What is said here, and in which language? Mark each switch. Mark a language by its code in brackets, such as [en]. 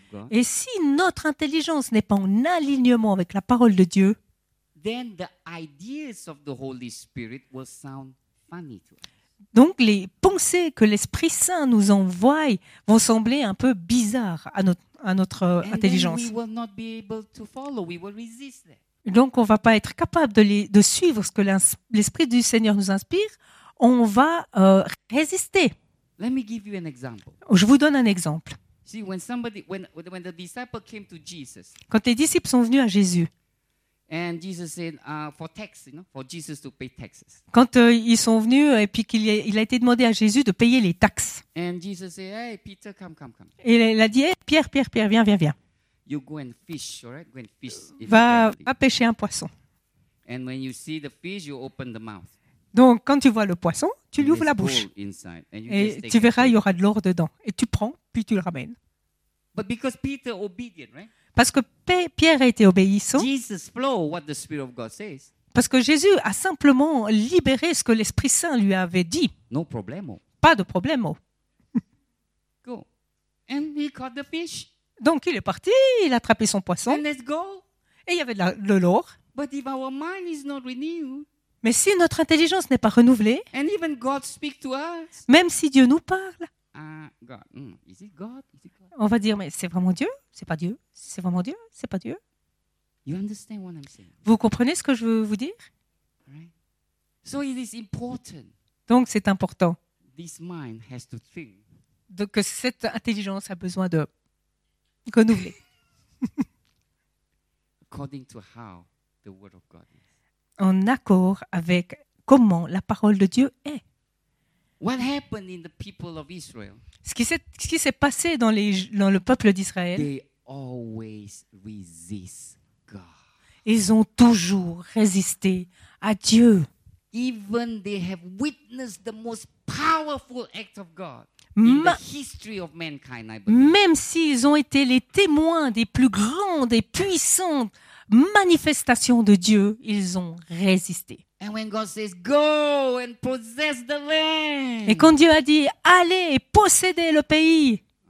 [fr] Et si notre intelligence n'est pas en alignement avec la parole de Dieu, [en] then the ideas of the Holy Spirit will sound funny to us. [fr] Donc les pensées que l'Esprit Saint nous envoie vont sembler un peu bizarres à notre intelligence. [en] And then we will not be able to follow. We will resist them. [fr] Donc, on ne va pas être capable de suivre ce que l'Esprit du Seigneur nous inspire. On va résister. [en] Let me give you an example. [fr] Je vous donne un exemple. [en] See, when the disciples came to Jesus, [fr] quand les disciples sont venus à Jésus, [en] and Jesus said, for tax, you know, for Jesus to pay taxes. [fr] Quand ils sont venus et puis qu'il a été demandé à Jésus de payer les taxes. [en] And Jesus said, hey, Peter, come. [fr] Et il a dit, hey, Pierre, viens. [en] You go and fish, all right? Go and fish. [fr] Va pêcher un poisson. [en] And when you see the fish, you open the mouth. [fr] Donc, quand tu vois le poisson, tu lui ouvres la bouche. [en] Inside, [fr] et tu verras, il y aura de l'or dedans. Et tu prends, puis tu le ramènes. [en] But because Peter obedient, right? [fr] Parce que Pierre a été obéissant. [en] Jesus flowed what the Spirit of God says. [fr] Parce que Jésus a simplement libéré ce que l'Esprit Saint lui avait dit. [en] No problemo. [fr] Pas de problème. [en] Go. And he caught the fish. [fr] Donc, il est parti, il a attrapé son poisson. [en] And let's go. [fr] Et il y avait de l'or. [en] But if our mind is not renewed, [fr] mais si notre intelligence n'est pas renouvelée, [en] and even God speak to us, [fr] même si Dieu nous parle, [en] God. Is it God? Is it God? [fr] On va dire, mais c'est vraiment Dieu? C'est pas Dieu? C'est vraiment Dieu? C'est pas Dieu? [en] You understand what I'm saying? [fr] Vous comprenez ce que je veux vous dire? [en] Right. So it is important. [fr] Donc, c'est important. [en] This mind has to think. [fr] de, que cette intelligence a besoin de renouveler. [en] According to how the word of God is. [fr] En accord avec comment la parole de Dieu est. [en] What happened in the people of Israel? [fr] Ce qui s'est passé dans le peuple d'Israël. [en] They always resist God. [fr] Ils ont toujours résisté à Dieu. [en] Even they have witnessed the most powerful act of God in the history of mankind, I believe. [fr] Même s'ils ont été les témoins des plus grandes et puissantes manifestations de Dieu, ils ont résisté. [en] And when God says, go and possess the land. [fr] Et quand Dieu a dit, allez et possédez le pays.